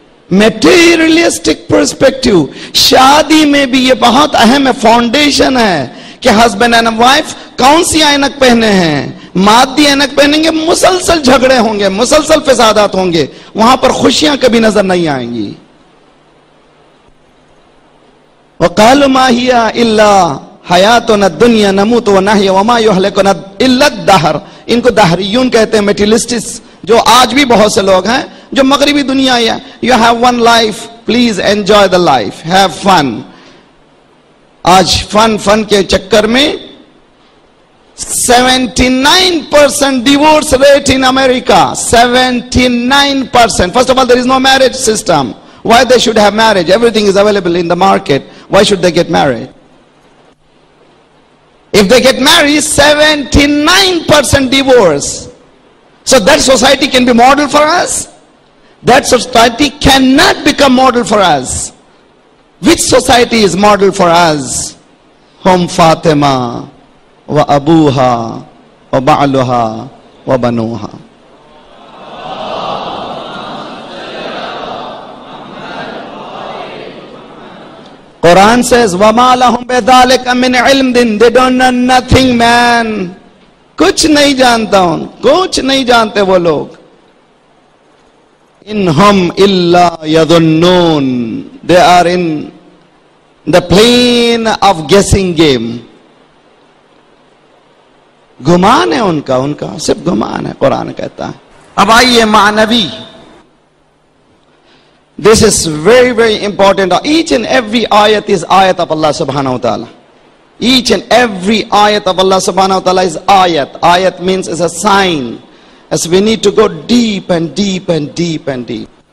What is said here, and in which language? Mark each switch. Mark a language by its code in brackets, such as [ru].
[en] Materialistic perspective. [ur] شادی میں بھی یہ بہت اہم ہے، فاؤنڈیشن ہے، کہ [en] husband and wife [ur] کون سی اینک پہنے ہیں. مادی اینک پہنیں گے، مسلسل جھگڑے ہوں گے، مسلسل فسادات ہوں گے، وہاں پر خوشیاں کبھی نظر نہیں آئیں گی. [ar] وقالوا ما هي الا حیاتنا الدنیا نموت ونحیا وما یهلکنا الا الدهر. [ur] ان کو دہریون کہتے ہیں، میٹیریلسٹس، جو آج بھی بہت سے لوگ ہیں جو مغربی دنیا ہے. [en] You have one life, please enjoy the life, have fun. آج fun [ur] کے چکر میں [en] 79% divorce rate in America, 79%. First of all there is no marriage system, why they should have marriage? Everything is available in the market, why should they get marriage? If they get marriage 79% divorce. So that society can be model for us? That society cannot become model for us. Which society is model for us? [ar] Hum Fatima wa abuha wa ba'luha wa banuha. [en] Quran says [ar] wa ma lahum bi dhalika min ilm, [en] din they don't know nothing man. [ur] Kuch nahi jante wo log. [ar] ان ہم الا یظنون، [en] They are in the plane of guessing game. [ur] گمان ہے ان کا صرف گمان ہے، قرآن کہتا ہے. اب آئیے معنوی، [en] This is very very important. Each and every آیت is آیت of اللہ سبحانہ و تعالی. ایچ اینڈ ایوری آیت آف اللہ سبحانہ و تعالی از آیت. آیت means is a sign. As we need to go deep and deep and deep and deep.